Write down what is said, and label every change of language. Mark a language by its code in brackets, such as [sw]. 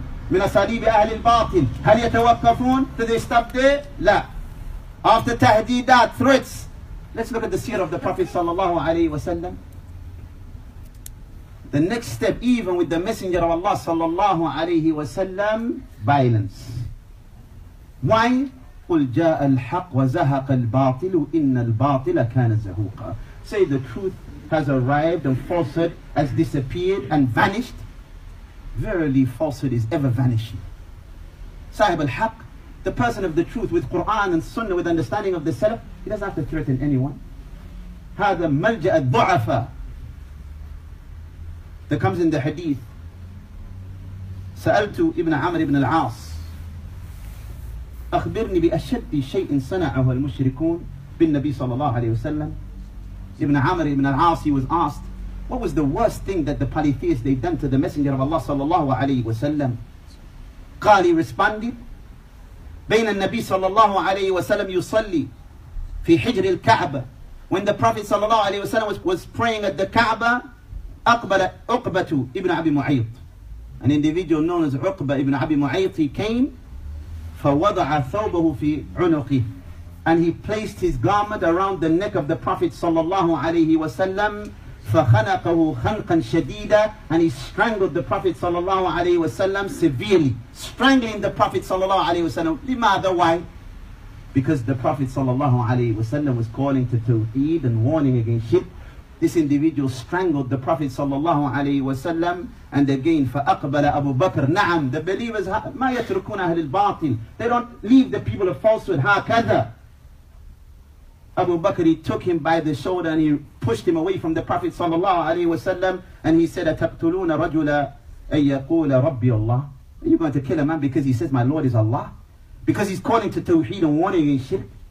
[ar] من أساليب أهل الباطل هل يتوقفون? [en] Do they stop there? لا. After تهديدات, threats, let's look at the seerah of the Prophet صلى الله عليه وسلم. The next step, even with the Messenger of Allah sallallahu alayhi wa sallam, violence. Why? [ar] قُلْ جَاءَ الْحَقْ وَزَهَقَ الْبَاطِلُ إِنَّ الْبَاطِلَ كَانَ زَهُوقًا. [en] Say the truth has arrived and falsehood has disappeared and vanished. Verily, falsehood is ever vanishing. Sahib al-Haq, the person of the truth with Quran and Sunnah, with understanding of the Salaf, he doesn't have to threaten anyone. [ar] هَذَا مَلْجَأَ الضُعَفَ. [en] That comes in the hadith. [ar] سألت ابن عمر ابن العاص أخبرني بأشد شيء صنعه المشركون بالنبي صلى الله عليه وسلم. [en] Ibn Amr ibn al-As, he was asked, what was the worst thing that the polytheists they've done to the Messenger of Allah sallallahu alayhi wa sallam? [ar] قال, [en] he responded, [ar] بين النبي صلى الله عليه وسلم يصلي في حجر الكعبة. [en] When the Prophet صلى الله عليه وسلم was praying at the Kaaba, [ar] أقبل عقبة ابن أبي معيط. [en] An individual known as عقبة ابن أبي معيط, he came, [ar] فوضع ثوبه في عنقه. [en] And he placed his garment around the neck of the Prophet صلى الله عليه وسلم. [ar] فخنقه خنقا شديدا. [en] And he strangled the Prophet صلى الله عليه وسلم severely. Strangling the Prophet صلى الله عليه وسلم. [ar] لماذا? [en] Why? Because the Prophet صلى الله عليه وسلم was calling to tawheed and warning against shirk. This individual strangled the Prophet صلى الله عليه وسلم. And again, [ar] فأقبل أبو بكر. نعم, [en] the believers, [ar] ما يتركون أهل الباطل. [en] They don't leave the people of falsehood. [ar] هكذا. [en] Abu Bakr, he took him by the shoulder and he pushed him away from the Prophet sallallahu alayhi wa sallam, and he said, [ar] أَتَقْتُلُونَ رَجُلَ أَن يَقُولَ رَبِّي اللَّهِ. [en] Are you going to kill a man because he says my Lord is Allah? Because he's calling to tawheed and warning and shirk?